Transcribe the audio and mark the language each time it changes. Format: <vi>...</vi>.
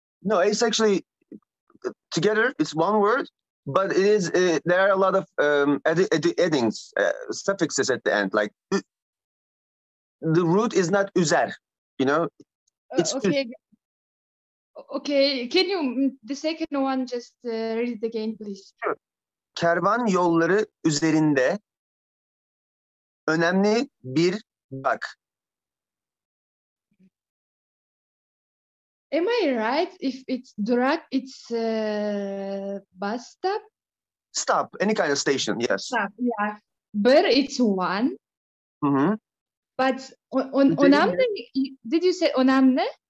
<en>No, it's actually together. It's one word, but it is there are a lot of addings, suffixes at the end. Like the root is not üzer, you know. It's okay. Okay, can you the second one just read it again, please?</en> <tr>Kervan yolları üzerinde önemli bir bak.</tr> <en>Am I right? If it's durak, it's bus stop. Stop, any kind of station. Yes. Stop. Yeah, bir it's one. Mm-hmm. But önemli. Did you say önemli?</en>